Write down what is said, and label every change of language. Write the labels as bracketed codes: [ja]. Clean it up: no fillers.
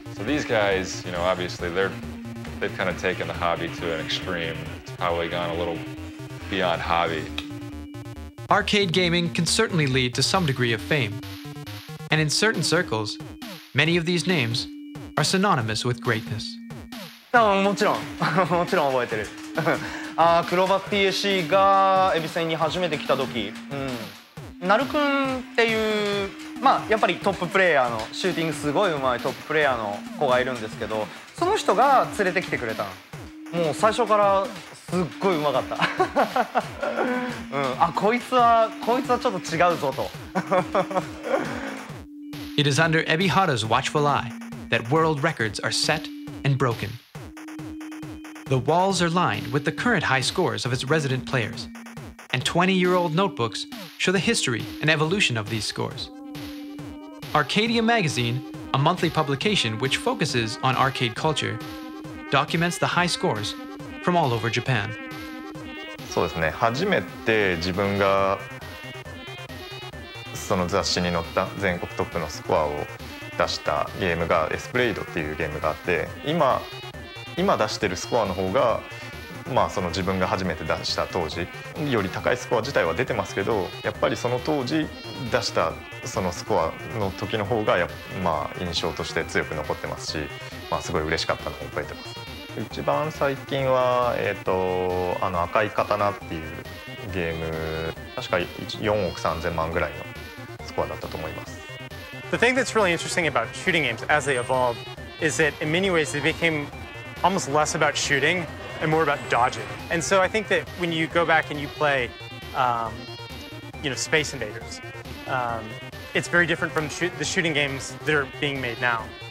[en] So these guys, you know, obviously they've kind of taken the hobby to an extreme. It's probably gone a little. Beyond hobby. Arcade gaming can certainly lead to some degree of fame. And in certain circles, many of these names are synonymous with greatness. [ja] もちろん覚えてる。クローバー TAC がエビセンに初めて来た時、ナル君っていう、まあ、やっぱりトッププレイヤーの、シューティングすごい上手いトッププレイヤーの子がいるんですけど、その人が連れてきてくれたの。もう最初からすっごい上手かった、うん、あ、こいつはちょっと違うぞと [en] It is under Ebihara's watchful eye that world records are set and broken. The walls are lined with the current high scores of its resident players, and 20-year-old notebooks show the history and evolution of these scores. Arcadia Magazine, a monthly publication which focuses on arcade culture, documents the high scores from all over Japan. [ja] そうですね。初めて自分がその雑誌に載った全国トップのスコアを出したゲームがエスプレイドっていうゲームがあって、今出してるスコアの方が、まあその自分が初めて出した当時より高いスコア自体は出てますけど、やっぱりその当時出したそのスコアの時の方がまあ印象として強く残ってますし、まあすごい嬉しかったのを覚えてます。一番最近は、あの赤い刀っていうゲーム、確か4億3千万ぐらいのスコアだったと思います。 [en] The thing that's really interesting about shooting games as they evolved is that in many ways they became almost less about shooting and more about dodging. And so I think that when you go back and you play, you know, Space Invaders, it's very different from the shooting games that are being made now.